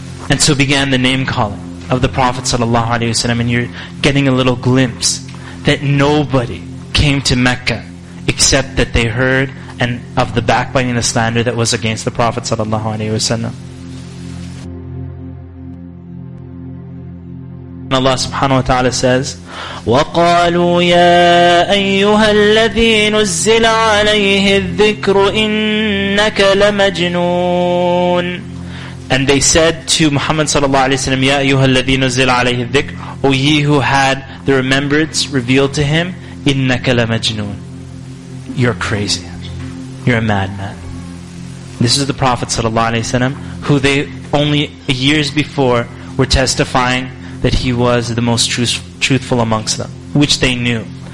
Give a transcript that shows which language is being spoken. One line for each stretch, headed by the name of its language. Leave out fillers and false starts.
English: And so began the name calling of the Prophet sallallahu alaihi wasallam, and you're getting a little glimpse that nobody came to Mecca except that they heard and of the backbiting, the slander that was against the Prophet sallallahu alaihi wasallam.
Arabic: Allah subhanahu wa ta'ala
English: says,
Arabic: وَقَالُوا يَا أَيُّهَا الَّذِي نُزِّلَ عَلَيْهِ الذِّكْرُ إِنَّكَ لَمَجْنُونٌ.
English: And they said to Muhammad sallallahu alaihi wasallam,
Arabic: "Ya ayyuhal ladhi nuzzila alayhi dhikr,"
English: "O ye who had the remembrance revealed to him,
Arabic: innaka la majnun."
English: You're crazy. You're a madman. This is the Prophet sallallahu alaihi wasallam, who they only years before were testifying that he was the most truthful amongst them, which they knew.